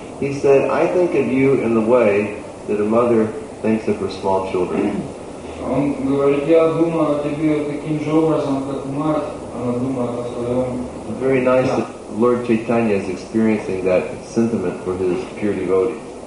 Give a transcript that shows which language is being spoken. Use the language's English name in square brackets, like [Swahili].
[English] He said, "I think of you in the way that a mother thinks of her small children." [Russian] Он говорит, "Я думаю о тебе таким же образом, как мать." [English] It's very nice that Lord Chaitanya is experiencing that sentiment for his pure devotees.